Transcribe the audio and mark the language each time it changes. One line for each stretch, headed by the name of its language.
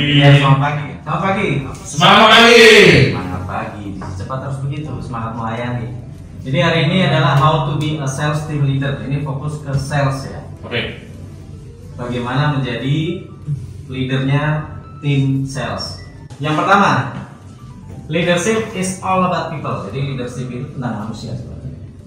Indonesian: Iya, selamat pagi. Selamat pagi. Semangat pagi. Semangat pagi. Cepat harus begitu, semangat melayani. Jadi hari ini adalah
English: how to be a sales team leader.
Indonesian: Ini fokus ke sales ya. Oke. Bagaimana menjadi leadernya tim sales? Yang pertama,
English: leadership is all about people.
Indonesian: Jadi leadership itu tentang manusia sebenarnya.